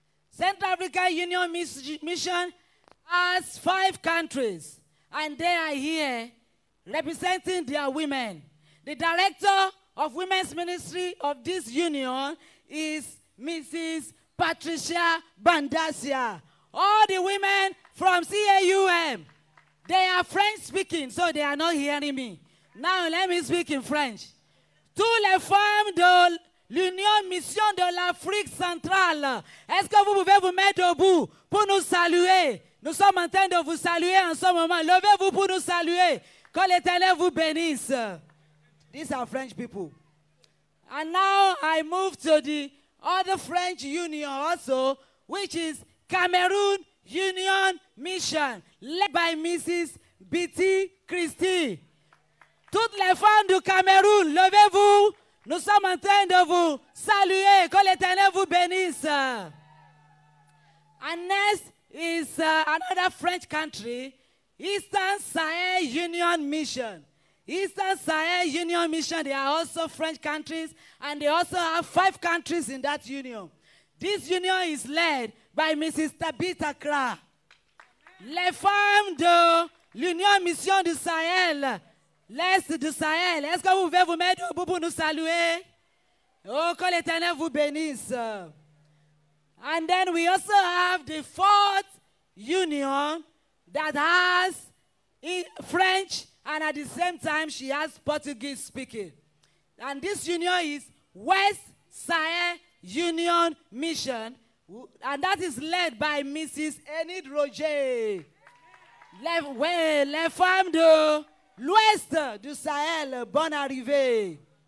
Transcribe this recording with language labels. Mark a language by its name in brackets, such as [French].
[English] Central African Union Mission has 5 countries, and they are here representing their women. The director of women's ministry of this union is Mrs. Patricia Bandasia. All the women from CAUM, they are French speaking, so they are not hearing me. Now let me speak in French. [French] Tous les femmes de l'Union Mission de l'Afrique centrale, est-ce que vous pouvez vous mettre debout pour nous saluer? Nous sommes en train de vous saluer en ce moment. Levez-vous pour nous saluer. Que l'Éternel vous bénisse. [English] These are French people. And now I move to the other French union also, which is Cameroon Union Mission, led by Mrs. [French] B.T. Christie. Toutes les femmes du Cameroun, levez-vous. Nous sommes en train de vous saluer. Que l'Éternel vous bénisse. [English] And next is another French country, Eastern Sahel Union Mission. Eastern Sahel Union Mission, they are also French countries, and they also have 5 countries in that union. This union is led by Mrs. Tabitha Kra. [French] Les femmes de l'Union Mission du Sahel, l'Est du Sahel, est-ce que vous pouvez vous mettre debout pour nous saluer? Oh, que l'Éternel vous bénisse. [English] And then we also have the 4th union that has French, and at the same time she has Portuguese speaking. And this union is West Sahel Union Mission, and that is led by Mrs. Enid Roger. [French] Les femmes de l'Ouest du Sahel, bonne arrivée.